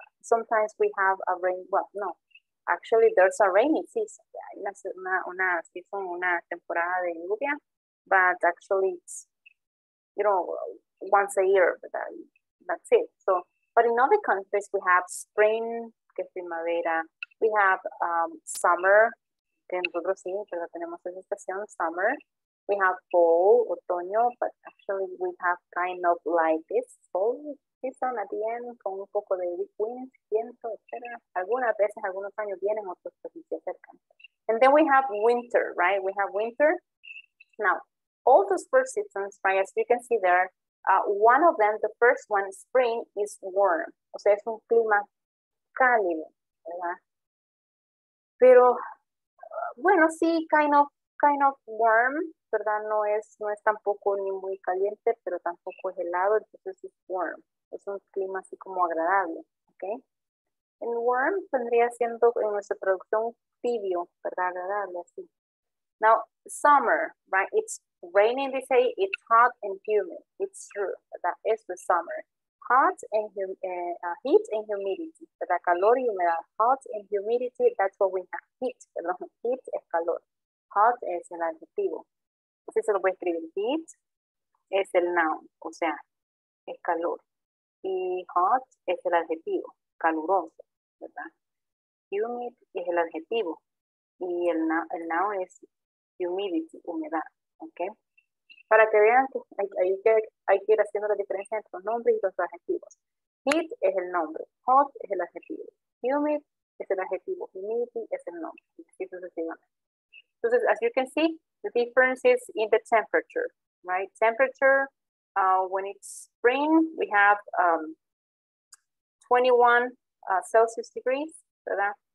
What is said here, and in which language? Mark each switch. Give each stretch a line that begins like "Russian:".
English: Sometimes we have a rain, well, no. Actually, there's a rainy season.
Spanish: Hay una season, una temporada de lluvia,
English: but actually, it's, you know, once a year, but that's it. So, but in other countries, we have spring,
Spanish: que es primavera.
English: We have summer,
Spanish: que en otros sí, pero tenemos esa estación, summer.
English: We have fall, otoño, but actually, we have kind of like this fall.
Spanish: Sí, son a bien, con un poco de wind, viento, etc. Algunas veces, algunos años vienen, otros se acercan.
English: And then we have winter, right? We have winter. Now, all those four seasons, right, as you can see there, one of them, the first one, spring, is warm.
Spanish: O sea, es un clima cálido, ¿verdad? Pero, bueno, sí,
English: kind of warm,
Spanish: ¿verdad? No es tampoco ni muy caliente, pero tampoco es helado, entonces es warm. Es un clima así como agradable, ¿ok? El warm vendría siendo en nuestra traducción tibio, ¿verdad? Agradable, así.
English: Now, summer, right? It's raining, they say, it's hot and humid. It's true, that is the summer. Hot and heat and humidity, ¿verdad?
Spanish: Calor y humedad.
English: Hot and humidity, that's what we have. Heat,
Spanish: perdón. Heat es calor. Hot es el adjetivo. Así se lo voy a escribir. Heat es el noun, o sea, es calor. Y hot es el adjetivo, caluroso, ¿verdad? Humid es el adjetivo. Y el noun es humidity, humedad, ¿ok? Para que vean que hay que ir haciendo la diferencia entre los nombres y los adjetivos. Heat es el nombre, hot es el adjetivo. Humid es el adjetivo, humidity es el nombre.
English: Entonces, as you can see, the difference is in the temperature, right? Temperature. When it's spring, we have 21 Celsius degrees, ¿verdad?